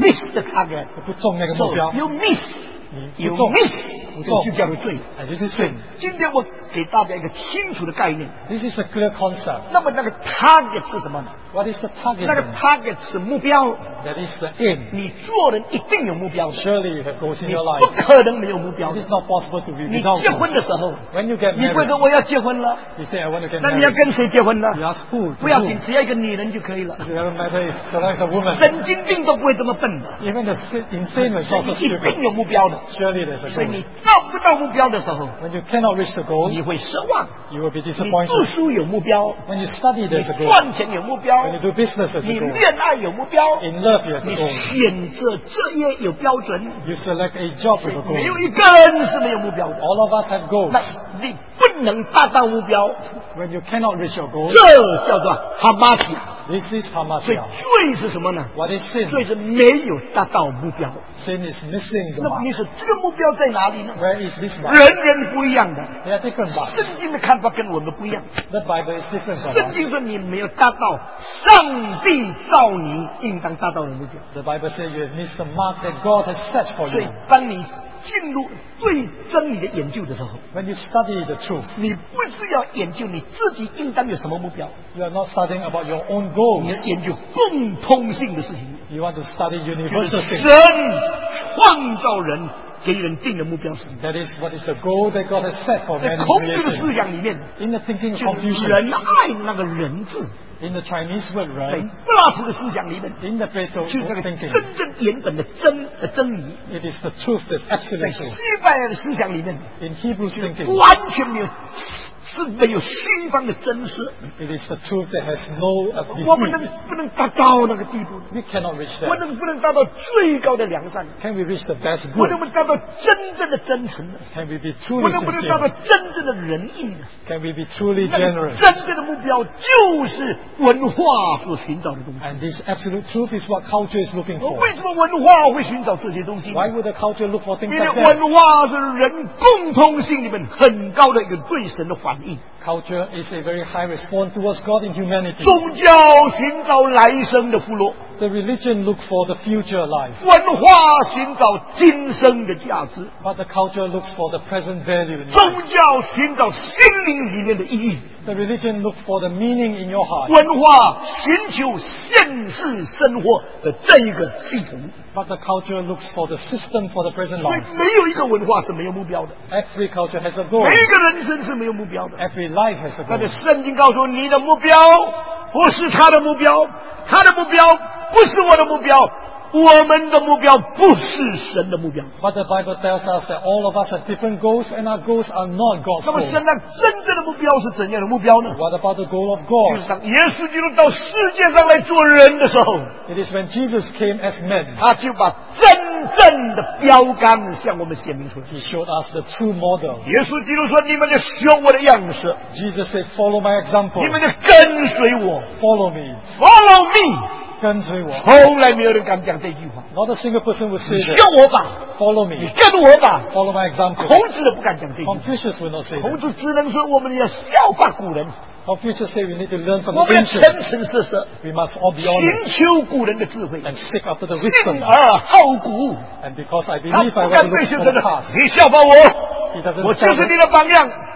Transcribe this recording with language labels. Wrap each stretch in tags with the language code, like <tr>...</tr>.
<en>Miss the target.</en> <zh>不中那个目标。</zh> <en>So you miss. You miss.</en> <zh>不中。就叫做罪。</zh> <en>And this is sin.</en> <zh>今天我给大家一个清楚的概念。</zh> <en>This is a clear concept.</en> <zh>那么那个 target 是什么呢</zh> <en>？What is the target?</en> <zh>那个 target 是目标。</zh> <en>That is the aim.</en> <zh>你做人一定有目标。</zh> <en>Surely you have goals in your life.</en> <zh>你不可能没有目标。</zh> <en>It is not possible to be without.</en> <zh>你结婚的时候</zh> <en>，When you get married,</en> <zh>你会说我要结婚了。</zh> <en>You say I want to get married.</en> <zh>那你要跟谁结婚呢</zh> <en>？You ask who?</en> <zh>不要紧，只要一个女人就可以了。</zh> <en>It doesn't matter if select a woman.</en> <zh>神经病都不会这么笨的。</zh> <en>Even the insane is also stupid.</en> <zh>你一定有目标的。</zh> <en>Surely there's a goal.</en> <zh>所以你到不到目标的时候</zh> <en>，When you cannot reach the goal.</en> <zh>你会失望</zh> <en>you will be disappointed.</en> <zh>你读书有目标</zh> <en>When you study, there's a goal.</en> <zh>你赚钱有目标</zh> <en>When you do business, there's a goal.</en> <zh>你恋爱有目标</zh> <en>In love, you have a goal.</en> <zh>你选择职业有标准</zh> <en>You select a job with a goal.</en> <zh>没有一个人是没有目标的</zh> <en>All of us have goals.</en> <zh>那你不能达到目标</zh> <en>When you cannot reach your goal,</en> <zh>这叫做 hamartia.</zh> <en>This is hamartia.</en> <zh>所以罪是什么呢</zh> <en>What is sin?</en> <zh>罪是没有达到目标</zh> <en>Sin is missing the mark.</en> <zh>那你说这个目标在哪里呢</zh> <en>Where is this mark?</en> <zh>人人不一样的</zh> <en>They are different.</en> <zh>圣经的看法跟我们不一样。</zh> <en>The Bible is different.</en> <zh>圣经说你没有达到上帝造你应当达到的目标。</zh> <en>The Bible says you have missed the mark that God has set for you.</en> <zh>所以当你进入对真理的研究的时候</zh> <en>，When you study the truth，</en> <zh>你不是要研究你自己应当有什么目标。</zh> <en>You are not studying about your own goals.</en> <zh>你要研究共通性的事情。</zh> <en>You want to study universal things.</en> <zh>神创造人。给人定的目标是</zh> <en>That is what is the goal that God has set for man.</en> <zh>在孔子的思想里面</zh> <en>，In the thinking of Confucius,</en> <zh>就仁爱那个仁字。</zh> <en>In the Chinese word, right?</en> <zh>在柏拉图的思想里面</zh> <en>，In the Plato thinking,</en> <zh>就是真正原本的真的真理。</zh> <en>It is the truth that's absolute.</en> <zh>在希伯来的思想里面</zh> <en>，In Hebrew thinking,</en> <zh>完全没有是没有心方的真实。</zh> <en>It is the truth that has no defeat.</en> <zh>我们不能达到那个地步。</zh> <en>We cannot reach that.</en> <zh>我们不能达到最高的良善。</zh> <en>Can we reach the best good?</en> <zh>我们达到真正的真诚。</zh> <en>Can we be truly sincere?</en> <zh>我们不能达到真正的仁义。</zh> <en>Can we be truly generous?</en> <zh>真正的目标就是文化所寻找的东西。</zh> <en>And this absolute truth is what culture is looking for.</en> <zh>为什么文化会寻找这些东西？</zh> <en>Why would the culture look for things like that?</en> <zh>因为文化是人共通性里面很高的一个对神的反应。</zh> <en>Culture is a very high response towards God in humanity.</en> <zh>宗教寻找来生的福禄。</zh> <en>The religion looks for the future life.</en> <zh>文化寻找今生的价值。</zh> <en>But the culture looks for the present value.</en> <zh>宗教寻找心灵里面的意义。</zh> <en>The religion looks for the meaning in your heart.</en> <zh>文化寻求现世生活的这一个系统。</zh> <en>But the culture looks for the system for the present life.</en> <zh>没有一个文化是没有目标的。</zh> <en>Every culture has a goal.</en> <zh>每一个人生是没有目标的。</zh> <en>Every life has a goal.</en> <zh>但是圣经告诉你的目标不是他的目标，他的目标不是我的目标，我们的目标不是神的目标。</zh> <en>But the Bible tells us that all of us have different goals, and our goals are not God's goals.</en> <zh>那么现在真正的目标是怎样的目标呢？</zh> <en>What about the goal of God?</en> <zh>就是当耶稣基督到世界上来做人的时候，</zh> <en>It is when Jesus came as man.</en> <zh>他就把真正的标杆向我们显明出来。</zh> <en>He showed us the true model.</en> <zh>耶稣基督说：“你们要学我的样式。”</zh> <en>Jesus said, "Follow my example."</en> <zh>你们要跟随我。</zh> <en>Follow me. Follow me.</en> <zh>跟随我，从来没有人敢讲这句话。</zh> <en>Not a single person would say that.</en> <zh>跟我吧</zh> <en>，Follow me.</en> <zh>你跟我吧</zh> <en>，Follow my example.</en> <zh>孔子都不敢讲这句话。</zh> <en>Confucius would not say that.</en> <zh>孔子只能说我们要效法古人。</zh> <en>Confucius said we need to learn from the ancients.</en> <zh>我们要诚诚实实。</zh> <en>We must all be honest.</en> <zh>寻求古人的智慧。</zh> <en>And stick after the wisdom.</en> <zh>信而好古。</zh> <en>And because I believe I want to look for the past.</en> <zh>你效法我，我就是你的榜样。</zh>